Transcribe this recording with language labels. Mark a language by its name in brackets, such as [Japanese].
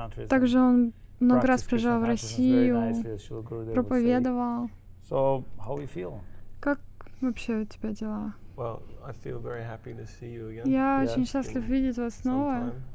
[Russian] Также он много раз приезжал в Россию, проповедовал. [English] So, how you feel? [Russian] Как вообще у тебя дела? [English] Well, I feel very happy to see you again. [Russian] Я очень счастлив видеть вас снова.